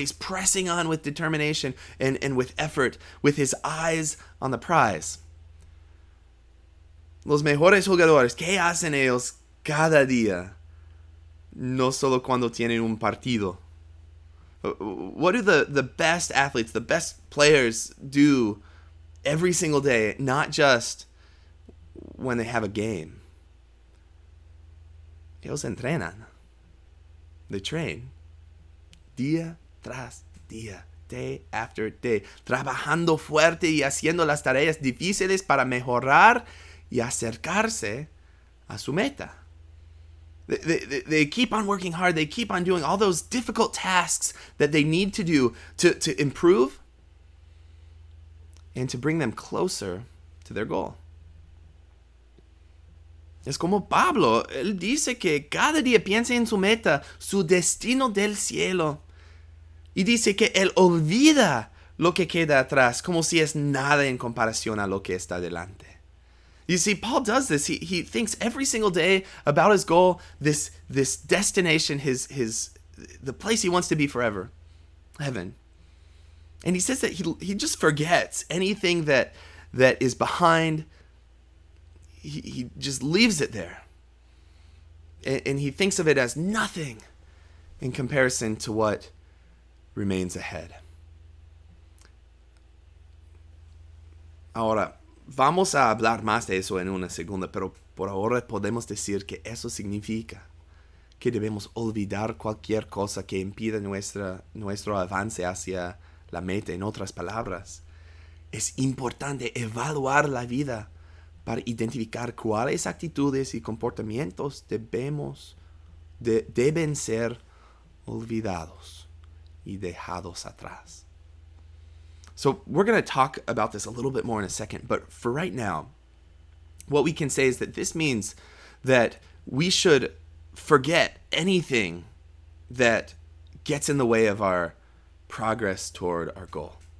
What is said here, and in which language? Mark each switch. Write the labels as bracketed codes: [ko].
[en] He's pressing on with determination and with effort, with his eyes on the prize. [es] Los mejores jugadores, ¿qué hacen ellos cada día? No solo cuando tienen un partido. [en] What do the best athletes, the best players do every single day, not just when they have a game? [es] Ellos entrenan. [en] They train. [es] Día tras día. [en] Day after day. [es] Trabajando fuerte y haciendo las tareas difíciles para mejorar y acercarse a su meta. [en] They keep on working hard. They keep on doing all those difficult tasks that they need to do to improve and to bring them closer to their goal. [es] Es como Pablo, él dice que cada día piensa en su meta, su destino del cielo. Y dice que él olvida lo que queda atrás, como si es nada en comparación a lo que está delante. [en] You see, Paul does this. He thinks every single day about his goal, this destination, his the place he wants to be forever, heaven. And he says that he just forgets anything that is behind. He just leaves it there. And he thinks of it as nothing in comparison to what remains ahead. [es] Ahora, vamos a hablar más de eso en una segunda, pero por ahora podemos decir que eso significa que debemos olvidar cualquier cosa que impida nuestro avance hacia la meta. En otras palabras, es importante evaluar la vida para identificar cuáles actitudes y comportamientos deben ser olvidados y dejados atrás. [en] So we're going to talk about this a little bit more in a second, but for right now, what we can say is that this means that we should forget anything that gets in the way of our progress toward our goal.